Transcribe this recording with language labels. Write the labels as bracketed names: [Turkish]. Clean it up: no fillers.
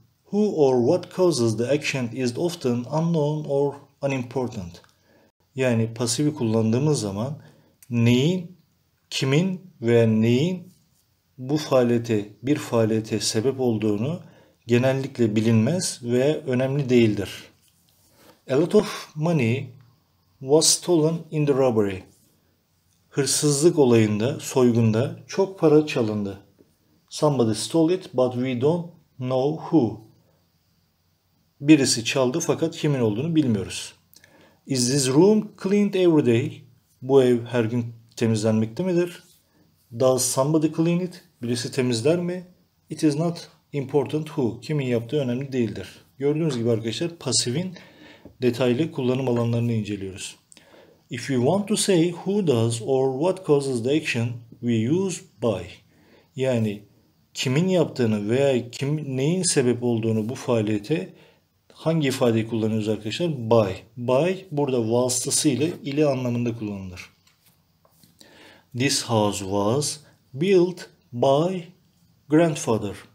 [English] Who or what causes the action is often unknown or unimportant. [Turkish] Yani pasivi kullandığımız zaman neyin, kimin veya neyin bu faaliyete, bir faaliyete sebep olduğunu genellikle bilinmez ve önemli değildir. [English] A lot of money was stolen in the robbery. [Turkish] Hırsızlık olayında, soygunda çok para çalındı. [English] Somebody stole it but we don't know who. [Turkish] Birisi çaldı fakat kimin olduğunu bilmiyoruz. [English] Is this room cleaned every day? [Turkish] Bu ev her gün temizlenmekte midir? [English] Does somebody clean it? [Turkish] Birisi temizler mi? [English] It is not important who, [Turkish] kimin yaptığı önemli değildir. Gördüğünüz gibi arkadaşlar pasivin detaylı kullanım alanlarını inceliyoruz. [English] If you want to say who does or what causes the action, we use by. [Turkish] Yani kimin yaptığını veya kim neyin sebep olduğunu bu faaliyete hangi ifadeyi kullanıyoruz arkadaşlar? By. By burada vasıtasıyla ile anlamında kullanılır. [English] This house was built by grandfather.